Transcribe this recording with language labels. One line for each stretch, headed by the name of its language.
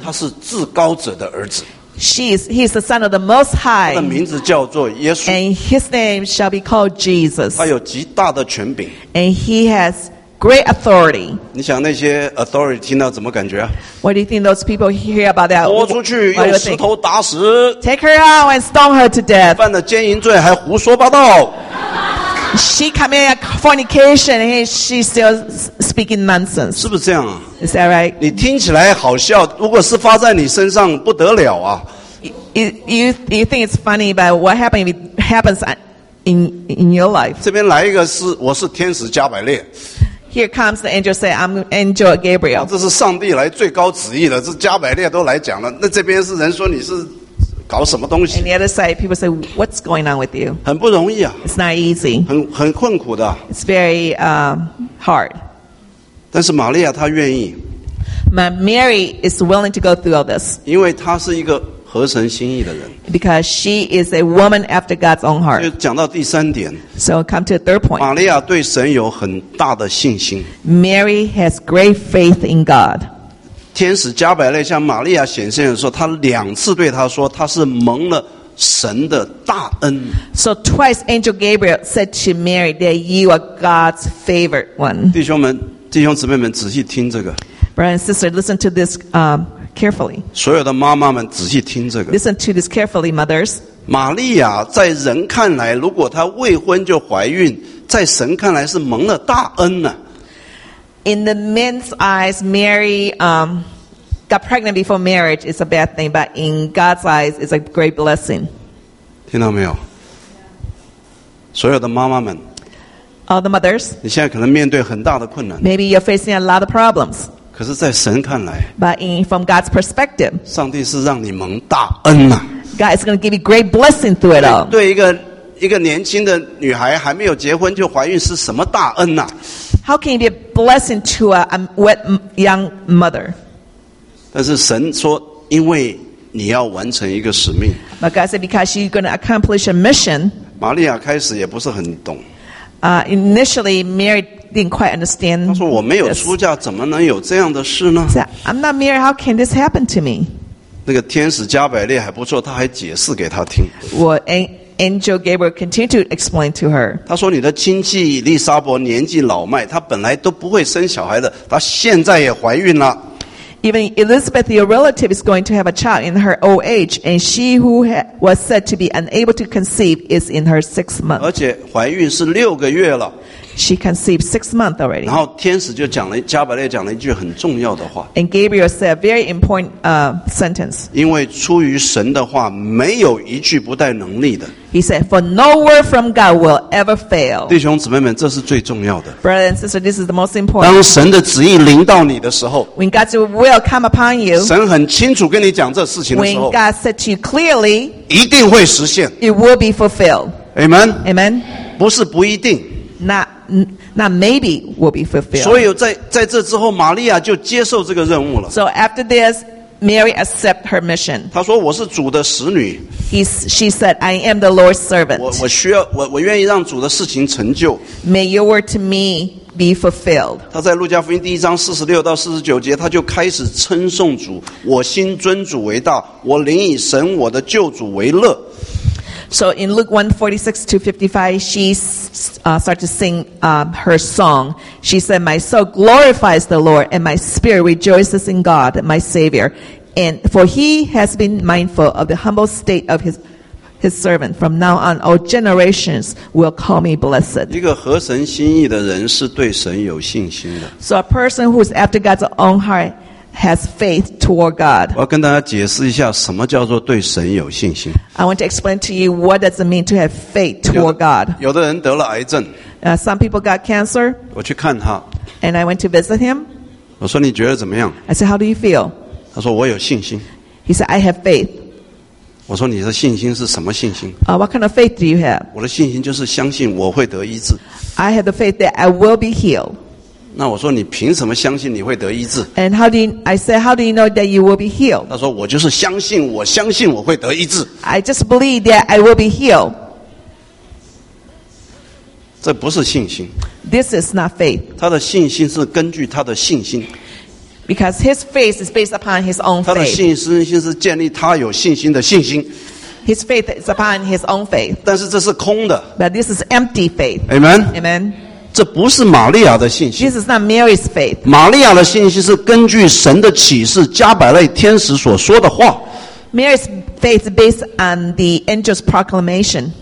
Chinese: 他是至高者的儿子。
English: He's the son of the Most High.
Chinese: 他的名字叫做耶稣。
English: And his name shall be called Jesus.
Chinese: 他有极大的权柄。
English: And he has great authority.
Chinese: 你想那些 authority 听到怎么感觉啊？
English: What do you think those people hear about that?
Chinese: 拖出去用石头打死。
English: Take her out and stone her to death.
Chinese: 犯了奸淫罪还胡说八道。
English: She committed a fornication and she's still speaking nonsense.
Chinese: 是不是这样啊？
English: Is that right?
Chinese: 你听起来好笑，如果是发在你身上不得了啊。
English: You think it's funny, but what happens if it happens in your life?
Chinese: 这边来一个是，我是天使加百列。
English: Here comes the angel say, I'm angel Gabriel.
Chinese: 这是上帝来最高旨意的，这加百列都来讲了，那这边是人说你是搞什么东西？
English: And the other side, people say, "What's going on with you?"
Chinese: 很不容易啊。
English: It's not easy.
Chinese: 很困苦的。
English: It's very hard.
Chinese: 但是玛利亚她愿意。
English: Mary is willing to go through all this.
Chinese: 因为她是一个合神心意的人。
English: Because she is a woman after God's own heart.
Chinese: 就讲到第三点。
English: So come to the third point.
Chinese: 玛利亚对神有很大的信心。
English: Mary has great faith in God.
Chinese: 天使加百列向玛利亚显现的时候，他两次对她说，她是蒙了神的大恩。
English: So twice Angel Gabriel said to Mary that you are God's favorite one.
Chinese: 弟兄们，弟兄姊妹们，仔细听这个。
English: Brother and sister, listen to this carefully.
Chinese: 所有的妈妈们，仔细听这个。
English: Listen to this carefully, mothers.
Chinese: 玛利亚在人看来，如果她未婚就怀孕，在神看来是蒙了大恩呢。
English: In the men's eyes, Mary, got pregnant before marriage is a bad thing, but in God's eyes, it's a great blessing.
Chinese: 听到没有？所有的妈妈们。
English: All the mothers.
Chinese: 你现在可能面对很大的困难。
English: Maybe you're facing a lot of problems.
Chinese: 可是在神看来
English: But in, from God's perspective,
Chinese: 上帝是让你蒙大恩啊。
English: God is going to give you great blessing through it all.
Chinese: 对一个年轻的女孩还没有结婚就怀孕是什么大恩啊。
English: How can it be a blessing to a wet young mother?
Chinese: 但是神说因为你要完成一个使命。
English: But God said because you're going to accomplish a mission.
Chinese: 玛利亚开始也不是很懂。
English: Initially, Mary didn't quite understand.
Chinese: 他说：“我没有出嫁，怎么能有这样的事呢
English: ？”I'm not married. How can this happen to me?
Chinese: 那个天使加百列还不错，他还解释给他听。
English: Angel Gabriel continued to explain to her.
Chinese: 他说：“你的亲戚伊丽莎伯年纪老迈，她本来都不会生小孩的，她现在也怀孕了。
English: Even Elizabeth, your relative, is going to have a child in her old age, and she who was said to be unable to conceive is in her sixth month.
Chinese: 而且怀孕是六个月了。
English: She conceived 6 months already.
Chinese: 然后天使就讲了，加百列讲了一句很重要的话。
English: And Gabriel said a very important sentence.
Chinese: 因为出于神的话，没有一句不带能力的。
English: He said, "For no word from God will ever fail."
Chinese: 弟兄姊妹们，这是最重要的。
English: Brother and sister, this is the most important.
Chinese: 当神的旨意临到你的时候
English: ，When God's will come upon you，
Chinese: 神很清楚跟你讲这事情的时候
English: ，When God said to you clearly，
Chinese: 一定会实现。
English: It will be fulfilled. Amen. Amen.
Chinese: 不是不一定。
English: 那 maybe will be fulfilled.
Chinese: 所以在这之后，玛利亚就接受这个任务了。
English: So after this, Mary accepted her mission.
Chinese: 她说：“我是主的使女。”
English: She said, "I am the Lord's servant."
Chinese: 我愿意让主的事情成就。
English: May your word to me be fulfilled.
Chinese: 她在路加福音第一章46-49节，她就开始称颂主：“我心尊主为大，我灵以神我的救主为乐。”
English: So in Luke 1:46-55, she started to sing her song. She said, "My soul glorifies the Lord, and my spirit rejoices in God, my Savior. And for he has been mindful of the humble state of his servant. From now on, all generations will call me blessed."
Chinese: 一个合神心意的人是对神有信心的。
English: So a person who is after God's own heart has faith toward God.
Chinese: 我要跟大家解释一下什么叫做对神有信心。
English: I want to explain to you what does it mean to have faith toward God.
Chinese: 有的人得了癌症。
English: Some people got cancer.
Chinese: 我去看他。
English: And I went to visit him.
Chinese: 我说你觉得怎么样？
English: I said, "How do you feel?"
Chinese: 他说我有信心。
English: He said, "I have faith."
Chinese: 我说你的信心是什么信心？
English: What kind of faith do you have?
Chinese: 我的信心就是相信我会得医治。
English: I have the faith that I will be healed.
Chinese: 那我说你凭什么相信你会得医治
English: ？And how do you, I said, how do you know that you will be healed?
Chinese: 他说我就是相信，我相信我会得医治。
English: I just believe that I will be healed.
Chinese: 这不是信心。
English: This is not faith.
Chinese: 他的信心是根据他的信心。
English: Because his faith is based upon his own faith.
Chinese: 他的信心是建立他有信心的信心。
English: His faith is upon his own faith.
Chinese: 但是这是空的。
English: But this is empty faith. Amen. Amen.
Chinese: 这不是玛利亚的信心。
English: This is not Mary's faith.
Chinese: 玛利亚的信心是根据神的启示，加百列天使所说的话。
English: Mary's faith is based on the angel's proclamation.